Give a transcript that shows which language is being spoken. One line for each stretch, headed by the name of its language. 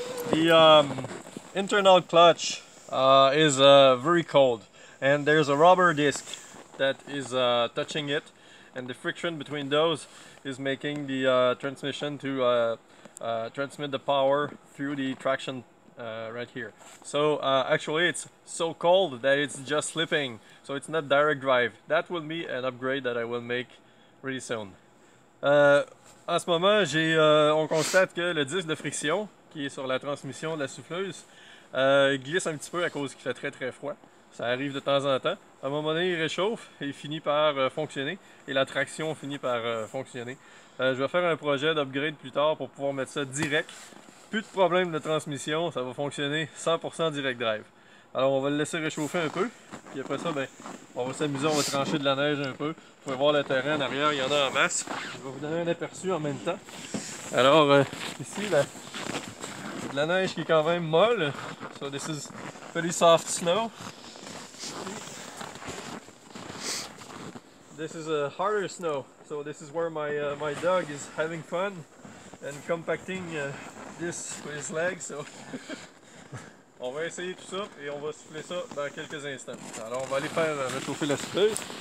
English: The internal clutch is very cold, and there's a rubber disc that is touching it, and the friction between those is making the transmission to transmit the power through the traction right here. So actually it's so cold that it's just slipping, so it's not direct drive. That will be an upgrade that I will make really soon.
French: En ce moment, on constate que le disque de friction qui est sur la transmission de la souffleuse glisse un petit peu à cause qu'il fait très très froid. Ça arrive de temps en temps. À un moment donné, il réchauffe et il finit par fonctionner. Et la traction finit par fonctionner. Je vais faire un projet d'upgrade plus tard pour pouvoir mettre ça direct. Plus de problème de transmission, ça va fonctionner 100% direct drive. Alors on va le laisser réchauffer un peu. Puis après ça, ben, on va s'amuser, on va trancher de la neige un peu. Vous pouvez voir le terrain en arrière, il y en a en masse. Je vais vous donner un aperçu en même temps. Alors ici, là, c'est de la neige qui est quand même molle.
English: So this is pretty soft snow. This is a harder snow, so this is where my my dog is having fun and compacting this with his legs.
French: So on va essayer tout ça et on va souffler ça dans quelques instants. Alors on va aller faire réchauffer la souffleuse.